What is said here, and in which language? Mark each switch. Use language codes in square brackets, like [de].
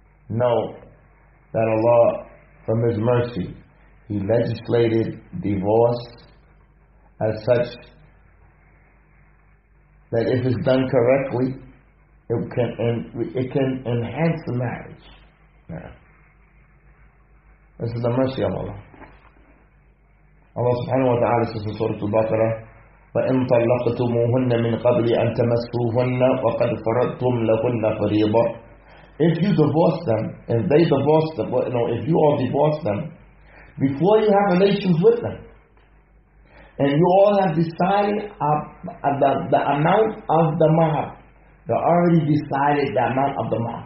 [en] Know that Allah, from His mercy, He legislated divorce as such that if it's done correctly, it can enhance the marriage. Yeah. This is the mercy of Allah. [ar] Allah subhanahu wa ta'ala says in Surah Al-Baqarah, فَإِنْ طَلَّقْتُمُوهُنَّ مِنْ قَبْلِ أَنْ تَمَسُّوهُنَّ وَقَدْ فَرَضْتُمْ لَهُنَّ فَرِيضَةً. [en] If you divorce them, and they divorce them, but no, if you all divorce them, before you have relations with them, and you all have decided the amount of the mahar, they already decided the amount of the mahar.